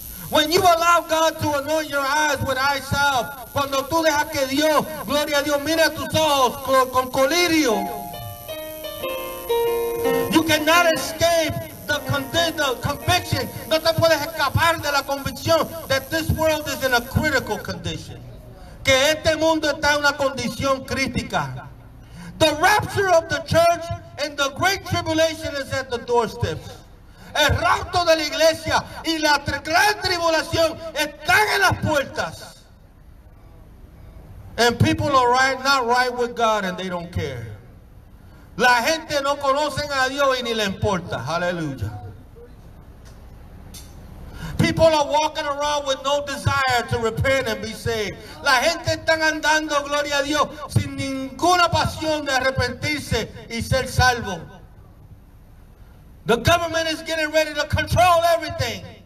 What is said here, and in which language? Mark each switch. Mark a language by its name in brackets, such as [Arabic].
[English] When you allow God to anoint your eyes with eye salve, [Spanish] cuando tú dejas que Dios, gloria a Dios, mire tus ojos con colirio, [English] you cannot escape the conviction. [Spanish] No te puedes escapar de la convicción [English] that this world is in a critical condition. [Spanish] Que este mundo está en una condición crítica. [English] The rapture of the church and the great tribulation is at the doorsteps. [Spanish] El rapto de la iglesia y la gran tribulación están en las puertas. [English] And people are right, not right with God, and they don't care. [Spanish] La gente no conoce a Dios y ni le importa. [English] Hallelujah. People are walking around with no desire to repent and be saved. [Spanish] La gente está andando, gloria a Dios, sin ninguna pasión de arrepentirse y ser salvo. [English] The government is getting ready to control everything.